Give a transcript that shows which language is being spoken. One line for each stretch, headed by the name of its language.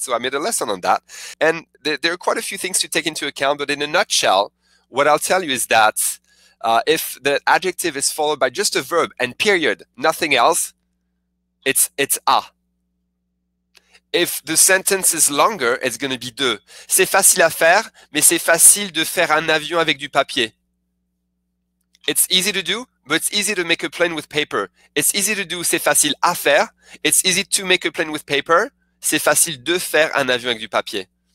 English: So I made a lesson on that. And there are quite a few things to take into account, but in a nutshell, what I'll tell you is that if the adjective is followed by just a verb and period, nothing else, it's a. If the sentence is longer, it's going to be de.
French: C'est facile à faire, mais c'est facile de faire un avion avec du papier.
English: It's easy to do, but it's easy to make a plane with paper. It's easy to do,
French: c'est facile à faire.
English: It's easy to make a plane with paper.
French: C'est facile de faire un avion avec du papier.